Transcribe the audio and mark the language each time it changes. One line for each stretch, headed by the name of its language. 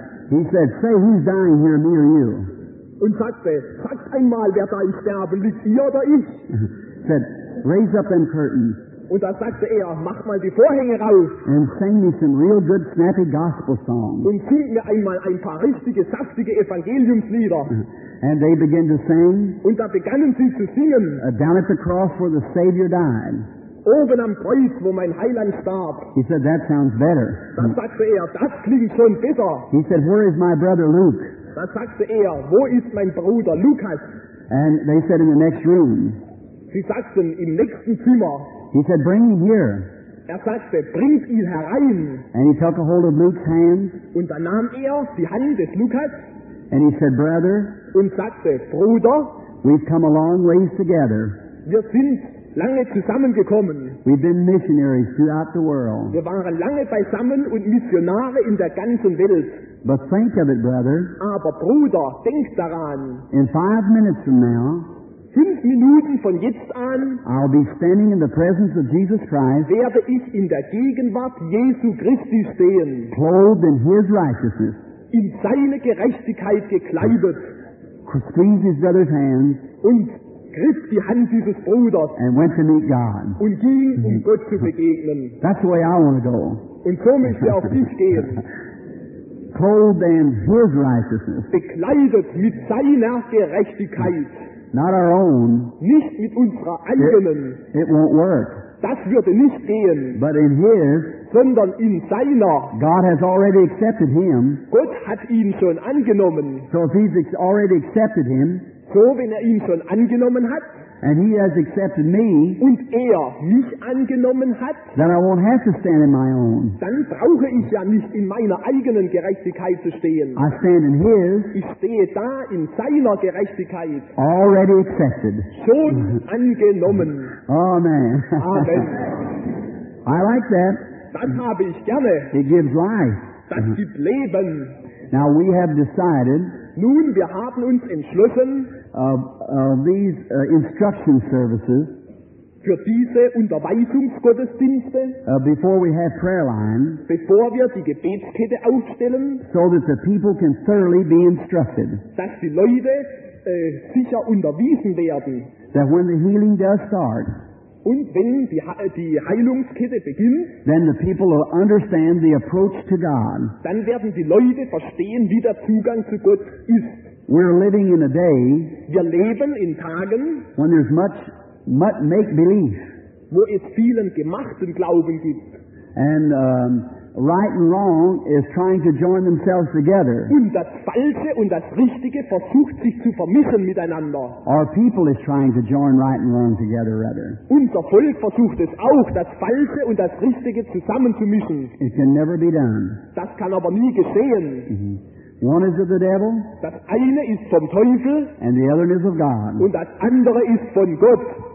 English: He said, "Say who's dying here, me or you?"
German: Und sagte, sag einmal, wer da im Sterben liegt, ihr oder ich?
English: Said, raise up them curtains.
German: Und da sagte mach mal die Vorhänge raus.
English: And sing me some real good snappy gospel songs.
German: Und sing mir einmal ein paar richtige, saftige Evangeliumslieder.
English: And they began to sing.
German: Und da begannen sie zu singen.
English: Down at the cross where the Savior died.
German: Oben am Kreuz, wo mein Heiland starb.
English: He said, that sounds better.
German: Dann sagte das klingt schon besser.
English: He said, where is my brother Luke?
German: Da sagte wo ist mein Bruder Lukas?
English: And they said, in the next room.
German: Sie sagten, im nächsten Zimmer.
English: He said, bring him here.
German: Sagte, bringt ihn herein.
English: And he took a hold of Luke's hand.
German: Und dann nahm die Hand des Lukas.
English: And he said, brother.
German: Und sagte, Bruder.
English: We've come a long ways together.
German: Wir sind lange zusammengekommen.
English: We've been missionaries throughout the world.
German: Wir waren lange beisammen und Missionare in der ganzen Welt.
English: But think of it, brother.
German: Aber Bruder, denk daran.
English: In 5 minutes from now,
German: 5 Minuten von jetzt an,
English: I'll be standing in the presence of Jesus Christ,
German: werde ich in der Gegenwart Jesu Christi stehen,
English: clothed in His righteousness,
German: in seine Gerechtigkeit gekleidet,
English: squeezed His brother's hand,
German: und griff die Hand dieses Bruders,
English: and went to meet God,
German: und ging, Gott zu begegnen.
English: That's the way I want to go.
German: Und so möchte auch ich gehen.
English: Clothed in His righteousness.
German: Bekleidet mit seiner Gerechtigkeit.
English: Not our own.
German: Nicht mit unserer eigenen.
English: It won't work.
German: Das würde nicht gehen.
English: But in His.
German: Sondern in seiner.
English: God has already accepted Him.
German: Gott hat ihn schon angenommen.
English: So if He's already accepted Him.
German: So wenn ihn schon angenommen hat.
English: And He has accepted me.
German: Und mich angenommen hat.
English: Then I won't have to stand in my own.
German: Dann brauche ich nicht in meiner eigenen Gerechtigkeit zu stehen.
English: I stand in His.
German: Ich stehe da in seiner Gerechtigkeit.
English: Already accepted.
German: Schon angenommen.
English: Oh, man.
German: Amen.
English: I like that.
German: Das habe ich gerne.
English: It gives life.
German: Das gibt Leben.
English: Now we have decided.
German: Nun, wir haben uns entschlossen,
English: these instruction services
German: für diese Unterweisungsgottesdienste,
English: before we have prayer line,
German: bevor wir die Gebetskette aufstellen,
English: so that the people can thoroughly be instructed,
German: dass die Leute sicher unterwiesen werden,
English: that when the healing does start,
German: und wenn die Heilungskette beginnt,
English: then the people will understand the approach to God.
German: Dann werden die Leute verstehen, wie der Zugang zu Gott ist.
English: We're living in a day,
German: wir leben in Tagen,
English: when there's much make-believe,
German: wo es vielen gemachten Glauben gibt.
English: And right and wrong is trying to join themselves together.
German: Und das Falsche und das Richtige versucht sich zu vermischen miteinander.
English: Our people is trying to join right and wrong together, rather.
German: Unser Volk versucht es auch, das Falsche und das Richtige zusammenzumischen.
English: It can never be done.
German: Das kann aber nie geschehen.
English: Mm-hmm. One is of the devil.
German: Das eine ist vom Teufel.
English: And the other is of God.
German: Und das andere ist von Gott.